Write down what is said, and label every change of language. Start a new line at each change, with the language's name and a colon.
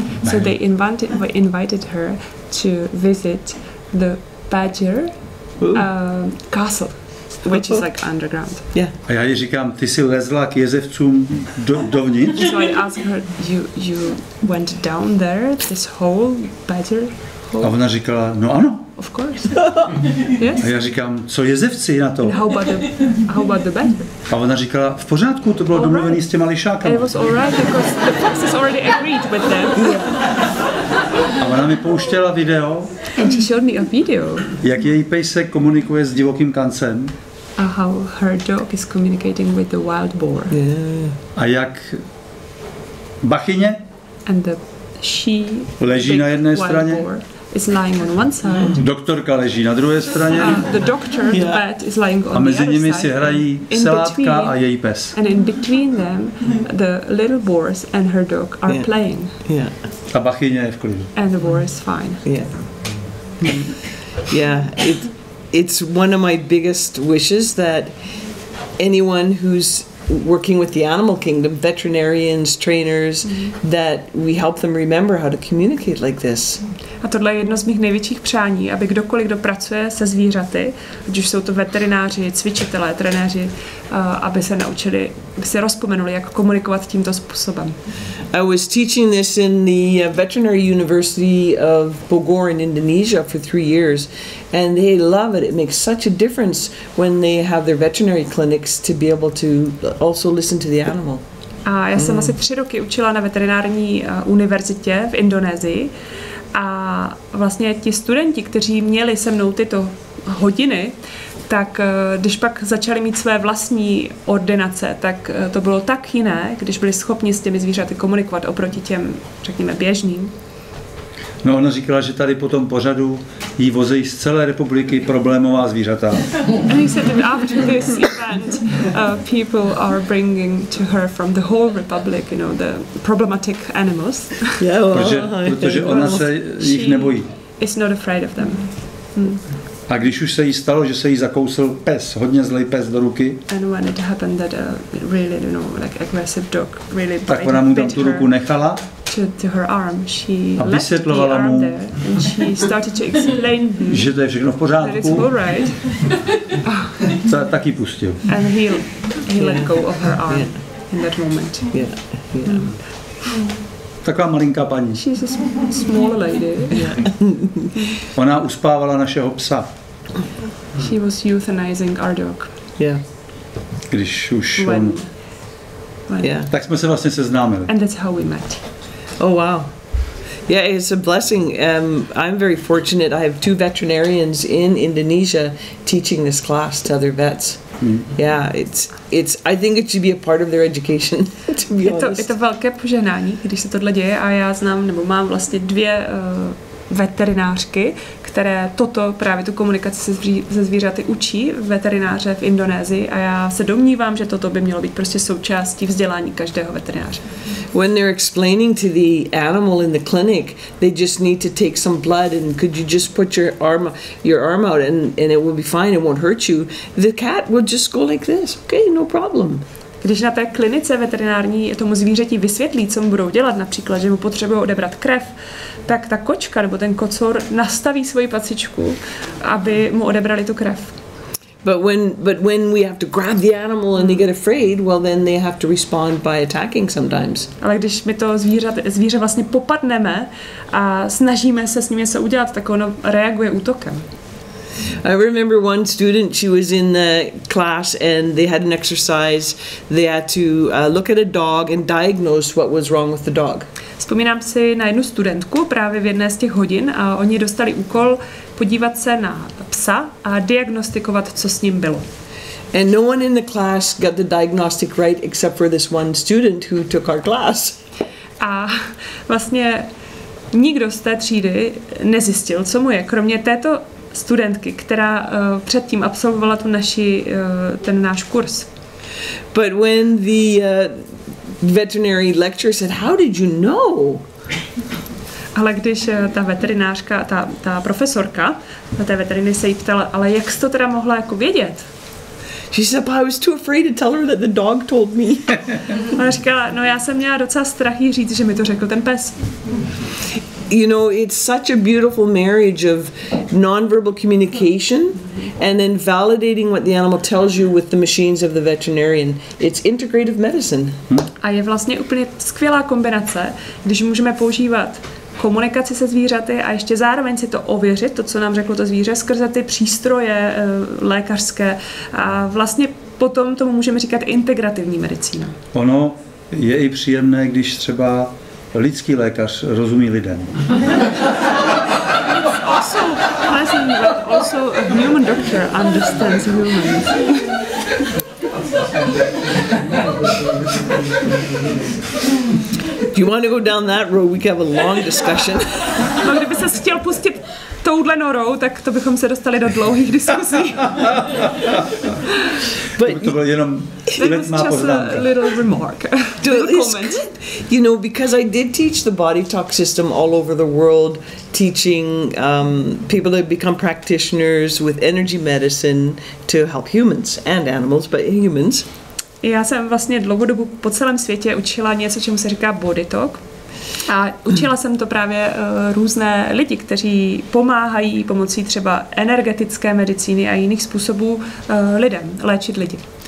English: So they invited her to visit the Badger castle, which is like underground. Yeah.
Czech: A já jí říkám, ty jsi lezla k jezevcům dovnitř?
English: So I asked her, you went down there, this whole Badger hole?
Czech: A ona říkala, no ano.
English: Of course. Yes.
Czech: A já říkám, co jezevci na to?
English: How about the badger?
Czech: A ona říkala, v pořádku, to bylo domluvené s těma lišákama.
English: It was all right, because the foxes already agreed with them. Yeah.
Czech: A ona mi pouštěla video.
English: And she showed me a video.
Czech: Jak její pejsek komunikuje s divokým kancem.
English: And how her dog is communicating with the wild boar. Yeah.
Czech: A jak bachyně?
English: And the she
Czech: leží na jedné straně.
English: Is lying on one side.
Czech: Doktorka leží na druhé straně.
English: The doctor, the vet is lying on the other side.
Czech: A mezi nimi si hrají selátka a její pes.
English: And in between them, the little boars and her dog are playing. Yeah.
Czech: A bachyně je v klidu.
English: And the boar is fine. Yeah. Yeah. It's one of my biggest wishes that anyone who's working with the animal kingdom, veterinarians, trainers, that we help them remember how to communicate like this.
Czech: A tohle je jedno z mých největších přání, aby kdokoliv, kdo pracuje se zvířaty, ať už jsou to veterináři, cvičitelé, trenéři, aby se naučili, aby se rozpomenuli, jak komunikovat tímto způsobem.
English: I was teaching this in the veterinary university of Bogor in Indonesia for 3 years, and they love it. It makes such a difference when they have their veterinary clinics to be able to also listen to the animal.
Czech: A já jsem asi 3 roky učila na veterinární univerzitě v Indonésii. A vlastně ti studenti, kteří měli se mnou tyto hodiny, tak když pak začali mít své vlastní ordinace, tak to bylo tak jiné, když byli schopni s těmi zvířaty komunikovat oproti těm, řekněme, běžným. No, ona říkala, že tady po tom pořadu jí vozejí z celé republiky problémová zvířata.
English: And he said that after this event, people are bringing to her from the whole republic, you know, the problematic animals. Yeah, well,
Czech: protože ona se jich nebojí.
English: Is not afraid of them.
Czech: A když už se jí stalo, že se jí zakousil pes, hodně zlej pes do ruky.
English: And when it happened that a really, you know, like aggressive dog really bit
Czech: her. Tak ona mu tam tu ruku nechala.
English: To her arm, she left the arm there, and she started to explain
Czech: že to je všechno v pořádku.
English: That it's all right.
Czech: Taky pustil.
English: And he let go of her arm in that moment.
Czech: Taková malinká paní.
English: She's a small lady.
Czech: Ona uspávala našeho psa.
English: She was euthanizing our dog. Yeah.
Czech: Když už
English: when,
Czech: on...
English: Yeah.
Czech: Tak jsme se vlastně seznámili.
English: And that's how we met. Oh wow. Yeah, it's a blessing. I'm very fortunate. I have 2 veterinarians in Indonesia teaching this class to other vets. Yeah, it's I think it should be a part of their education to be honest.
Czech: Je to velké požehnání, když se tohle děje a já znám nebo mám vlastně 2 veterinářky, které toto právě tu komunikaci se zvířaty učí veterináře v Indonésii a já se domnívám, že toto by mělo být prostě součástí vzdělání každého veterináře.
English: When they're explaining to the animal in the clinic, they just need to take some blood and could you just put your arm out and it will be fine, it won't hurt you. The cat will just go like this. Okay, no problem.
Czech: Když na té klinice veterinární tomu zvířeti vysvětlí, co mu budou dělat, například, že mu potřebují odebrat krev, tak ta kočka nebo ten kocour nastaví svoji pacičku, aby mu odebrali tu krev.
English: But when we have to grab the animal and they get afraid, well then they have to respond by attacking sometimes.
Czech: Ale když my to zvíře vlastně popadneme a snažíme se s ním něco udělat, tak ono reaguje útokem.
English: I remember one student, she was in the class and they had an exercise. They had to look at a dog and diagnose what was wrong with the dog.
Czech: Vzpomínám si na jednu studentku právě v jedné z těch hodin a oni dostali úkol podívat se na psa a diagnostikovat, co s ním bylo.
English: And no one in the class got the diagnostic right except for this one student who took our class.
Czech: A vlastně nikdo z té třídy nezjistil, co mu je, kromě této studentky, která předtím absolvovala tu naši ten náš kurz.
English: But when the veterinary lecturer said, "How did you know?"
Czech: Ale když ta veterinářka, ta profesorka na té veteriny se jí ptala, ale jak jsi to teda mohla jako vědět?
English: She said, "I was too afraid to tell her that the dog told me."
Czech: Ona říkala, no já jsem měla docela strach jí říct, že mi to řekl ten pes.
English: You know, it's such a beautiful marriage of nonverbal communication and then validating what the animal tells you with the machines of the veterinarian. It's integrative medicine.
Czech: A je vlastně úplně skvělá kombinace, když můžeme používat komunikaci se zvířaty a ještě zároveň si to ověřit, to, co nám řeklo to zvíře, skrze ty přístroje lékařské. A vlastně potom tomu můžeme říkat integrativní medicína. Ono je i příjemné, když třeba lidský lékař rozumí lidem.
English: Also, pleasant, but also a human doctor understands humans. Do you want to go down that road? We can have a long discussion.
Czech: No, kdyby ses chtěl pustit touhle norou, tak to bychom se dostali do dlouhých diskusí. But to bylo jenom
English: just a little remark. You know, because I did teach the body talk system all over the world, teaching people to become practitioners with energy medicine to help humans and animals, but humans.
Czech: Já jsem vlastně dlouhou dobu po celém světě učila něco, čemu se říká body talk. A učila jsem to právě různé lidi, kteří pomáhají pomocí třeba energetické medicíny a jiných způsobů lidem léčit lidi.